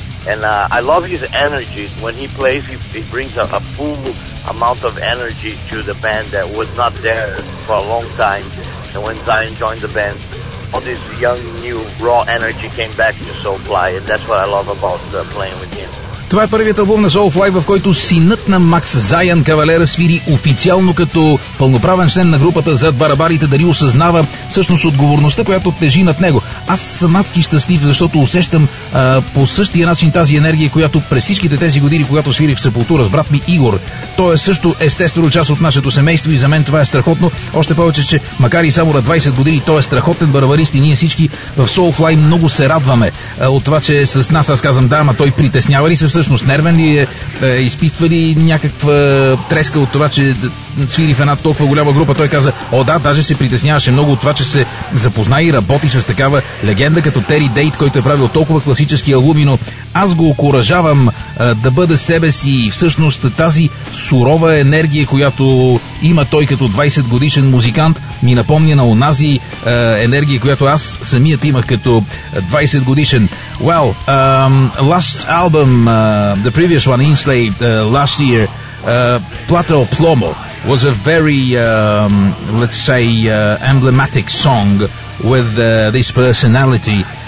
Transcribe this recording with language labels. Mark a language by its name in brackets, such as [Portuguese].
[English] And I love his energy. When he plays, he brings a full amount of energy to the band that was not there for a long time. And when Zion joined the band, all this young, new, raw energy came back to Soulfly, and that's what I love about playing with him. [Bulgarian] Това е първият албум на Soulfly, в който синът на Макс Зайън Кавалера свири официално като пълноправен член на групата зад барабарите. Дали осъзнава всъщност отговорността, която тежи над него? Аз съм адски щастлив, защото усещам по същия начин тази енергия, която през всичките тези години, когато свирих в Сепултура с брат ми Игор. Той е също естествено част от нашето семейство и за мен това е страхотно. Още повече, че макар и само на 20 години, той е страхотен барабарист и ние всички в Soulfly много се радваме от това, че с нас, аз казвам, да, ама той притеснява ли се? Всъщност нервен ли е, изписва ли някаква треска от това, че свири в една толкова голяма група? Той каза, о да, даже се притесняваше много от това, че се запозна и работи с такава легенда като Тери Дейт, който е правил толкова класически албуми, но аз го окуражавам да бъде себе си и всъщност тази сурова енергия, която има той като 20 годишен музикант, ми напомня на онази енергия, която аз самият имах като 20 годишен. [English] Well, last album, the previous one, Enslaved, last year, Plato Plomo, was a very, let's say, emblematic song with this personality.